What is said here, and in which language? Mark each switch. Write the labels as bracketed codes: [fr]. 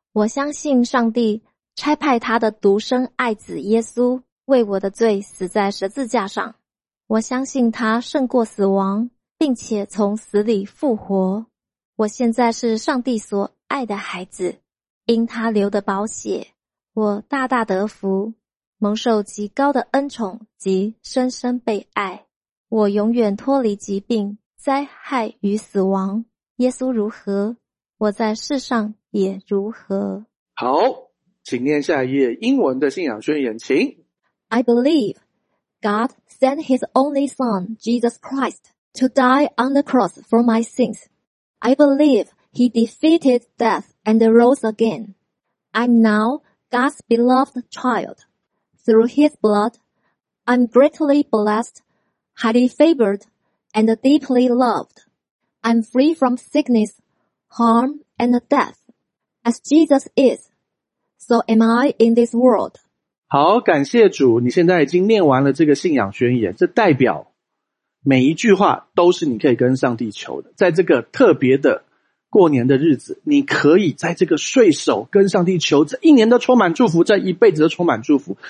[zh] 我相信上帝差派他的独生爱子耶稣为我的罪死在十字架上，我相信他胜过死亡并且从死里复活，我现在是上帝所爱的孩子，因他流的宝血我大大得福，蒙受极高的恩宠及深深被爱，我永远脱离疾病、灾害与死亡。耶稣如何，我在世上也如何。好，请念下一页英文的信仰宣言，请。 [en] I believe God sent His only Son, Jesus Christ, to die on the cross for my sins. I believe He defeated death and rose again. I'm now God's beloved child. Through His blood, I'm greatly blessed, highly favored, and deeply loved. I'm free from sickness, harm, and death. As Jesus is, so am I in this world. [zh] 好，感谢主，你现在已经念完了这个信仰宣言，这代表每一句话都是你可以跟上帝求的。在这个特别的过年的日子，你可以在这个岁首跟上帝求这一年的充满祝福，这一辈子的充满祝福。